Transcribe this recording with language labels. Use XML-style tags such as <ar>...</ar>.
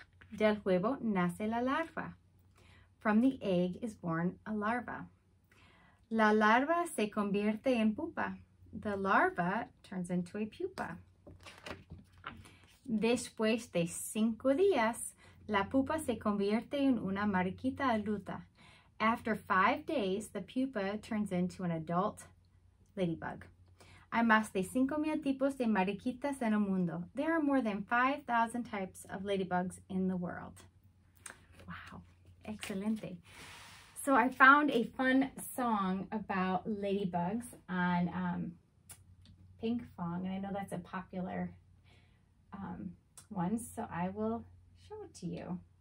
<es>Del huevo nace la larva.</es> <en>From the egg is born a larva.</en> <es>La larva se convierte en pupa.</es> <en>The larva turns into a pupa.</en> <es>Después de cinco días, la pupa se convierte en una mariquita adulta.</es> <en>After 5 days, the pupa turns into an adult ladybug.</en> <es>Hay más de 5,000 tipos de mariquitas en el mundo.</es> <en>There are more than 5,000 types of ladybugs in the world. Wow, excelente. So I found a fun song about ladybugs on Pinkfong, and I know that's a popular one, so I will show it to you.</en>